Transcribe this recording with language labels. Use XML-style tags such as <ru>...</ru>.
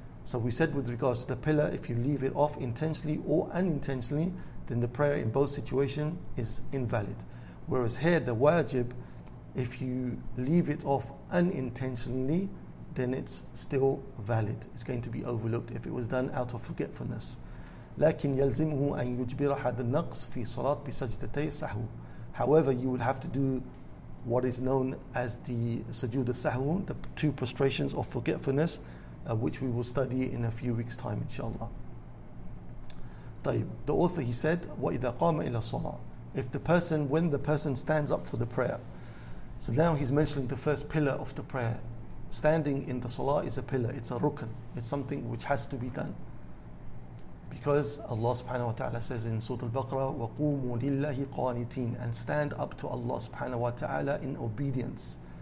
<en>So we said with regards to the pillar, if you leave it off intentionally or unintentionally, then the prayer in both situations is invalid. Whereas here, the wajib, if you leave it off unintentionally, then it's still valid. It's going to be overlooked if it was done out of forgetfulness.</en> <ar>لكن يلزمه أن يجبر هذا النقص في صلاة بسجدتي سهو.</ar> <en>However, you will have to do what is known as the sujood al-sahw, the two prostrations of forgetfulness, which we will study in a few weeks' time, inshallah. طيب, the author, he said,</en> <ar>وَإِذَا قَامَ إِلَى الصَّلَاةِ.</ar> <en>If the person, when the person stands up for the prayer, so now he's mentioning the first pillar of the prayer. Standing in the salah is a pillar, it's a rukn, it's something which has to be done. Because Allah subhanahu wa ta'ala says in Surah Al-Baqarah,</en> <ar>وَقُومُوا لِلَّهِ قَانِتِينَ,</ar> <en>and stand up to Allah subhanahu wa ta'ala in obedience.</en>